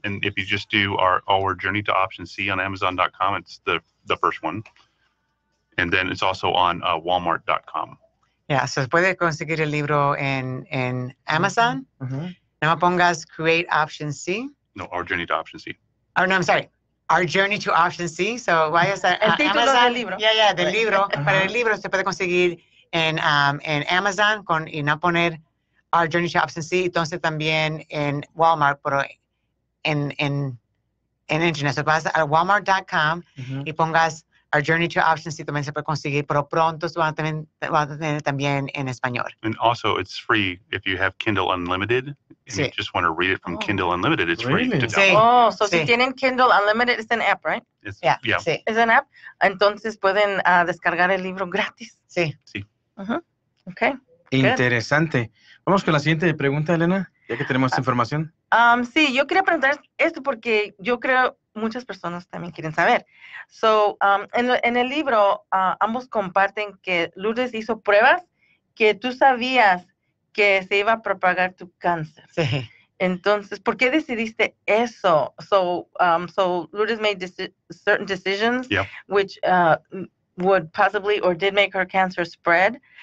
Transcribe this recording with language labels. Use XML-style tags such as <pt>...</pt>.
<en>And if you just do our journey to option C on Amazon.com, it's the first one. And then it's also on Walmart.com.</en> <es>Yeah, so se puede conseguir el libro en Amazon. Mm-hmm. No pongas create option C.</es> <en>No, our journey to option C. Oh, no, I'm sorry. Our Journey to Option C. So, why is that?</en> <es>El título Amazon, del libro. Yeah, yeah, del libro. Para el libro se puede conseguir en Amazon con y no poner Our Journey to Option C. Entonces, también en Walmart, pero en internet. So, vas a Walmart.com y pongas Our Journey to Option C. También se puede conseguir, pero pronto se va a tener también en español.</es> <en>And also, it's free if you have Kindle Unlimited. And you just want to read it from Kindle Unlimited, it's free to download. Oh, so</en> <es>si tienen</es> <en>Kindle Unlimited, it's an app, right? Yeah. It's an app.</en> <es>Entonces pueden descargar el libro gratis. Sí. Sí.</es> <en>Okay.</en> <es>Interesante. Good. Vamos con la siguiente pregunta, Elena, ya que tenemos esta información. Sí, yo quería preguntar esto porque yo creo muchas personas también quieren saber. So, en el libro, ambos comparten que Lourdes hizo pruebas que tú sabías que se iba a propagar tu cáncer. Sí. Entonces, ¿por qué decidiste eso?</es> <en>So Lourdes made certain decisions, which would possibly or did make her cancer spread.</en>